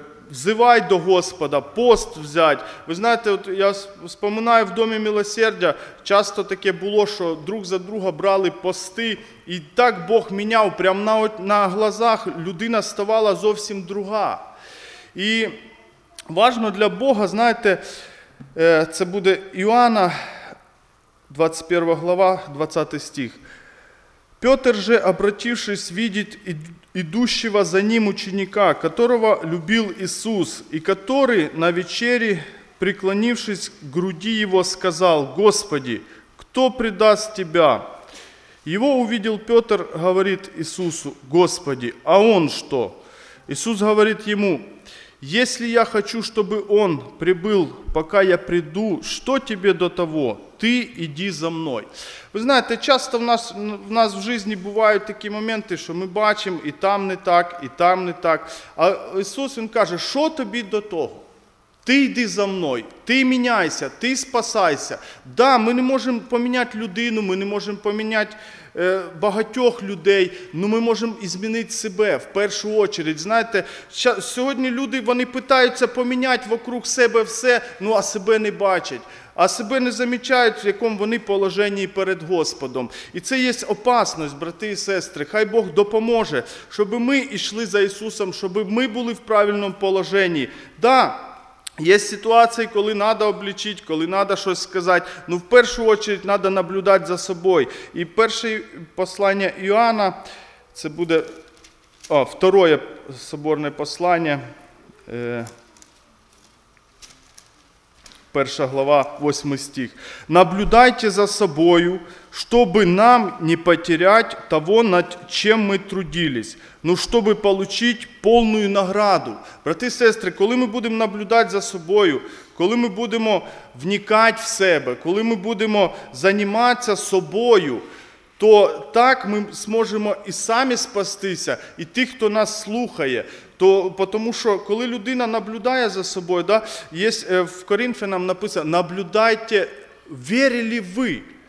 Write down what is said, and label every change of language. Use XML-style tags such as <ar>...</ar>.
<uk>Взивай до Господа, пост взяти. Ви знаєте, от я вспоминаю, в Домі Милосердя часто таке було, що друг за друга брали пости, і так Бог міняв, прямо</uk> <ru>на глазах</ru> <uk>людина ставала зовсім друга. І важливо для Бога, знаєте, це буде Іоанна, 21 глава, 20 стих.</uk> <ru>Петр же, обратившись, видить идущего за ним ученика, которого любил Иисус, и который на вечере, преклонившись к груди его, сказал: «Господи, кто предаст тебя?» Его увидел Петр, говорит Иисусу: «Господи, а он что?» Иисус говорит ему: «Если я хочу, чтобы он прибыл, пока я приду, что тебе до того? Ты иди за мной».</ru> <uk>Ви знаєте, часто в нас в житті бувають такі моменти, що ми бачимо і там не так, і там не так. А Ісус, він каже: що тобі до того? Ти йди за мною, ти міняйся, ти спасайся. Да, ми не можемо поміняти людину, ми не можемо поміняти багатьох людей, але ми можемо змінити себе в першу чергу. Знаєте, сьогодні люди, вони питаються поміняти вокруг себе все, ну а себе не бачать. А себе не замічають, в якому вони положенні перед Господом. І це є опасність, брати і сестри. Хай Бог допоможе, щоб ми йшли за Ісусом, щоб ми були в правильному положенні. Да, є ситуації, коли треба облічити, коли треба щось сказати. Ну, в першу чергу, треба наблюдати за собою. І перше послання Іоанна, це буде второе соборне послання, перша глава, 8 стих.</uk> <ru>«Наблюдайте за собою, чтобы нам не потерять того, над чем мы трудились, но чтобы получить полную награду».</ru> <uk>Брати і сестри, коли ми будемо наблюдати за собою, коли ми будемо вникати в себе, коли ми будемо займатися собою, то так ми зможемо і самі спастися, і тих, хто нас слухає. Тому що коли людина наблюдає за собою, да, є в Коринфянам написано: «Наблюдайте, вірили ви».</uk>